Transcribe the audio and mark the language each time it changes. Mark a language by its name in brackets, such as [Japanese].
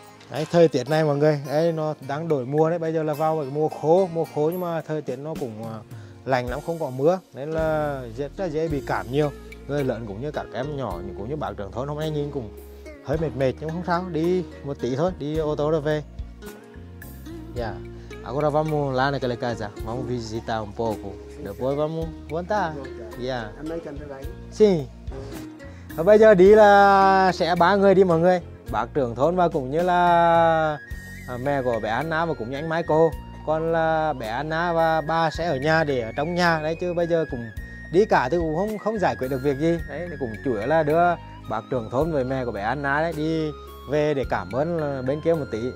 [Vietnamese] Đấy, thời tiết này mọi người, đấy, nó đang đổi mùa đấy, bây giờ là vào mùa khô nhưng mà thời tiết nó cũng lành lắm, không có mưa, nên là rất là dễ bị cảm nhiều. Người lớn cũng như các em nhỏ, cũng như bà trưởng thôn hôm nay nhìn cũng hơi mệt nhưng không sao, đi một tí thôi, đi ô tô rồi về. [Portuguese] Dạ, agora vamos lá naquela casa, vamos visitar pouco, depois vamos voltar. Dạ. Sim. [Vietnamese] Bây giờ đi là sẽ ba người đi mọi người. Bác trưởng thôn và cũng như là mẹ của bé Anna và cũng như anh Michael. Còn là bé Anna và ba sẽ ở nhà để ở trong nhà đấy, chứ bây giờ cũng đi cả thì cũng không giải quyết được việc gì đấy, cũng chủ yếu là đưa bác trưởng thôn với mẹ của bé Anna đấy đi về để cảm ơn bên kia một tí.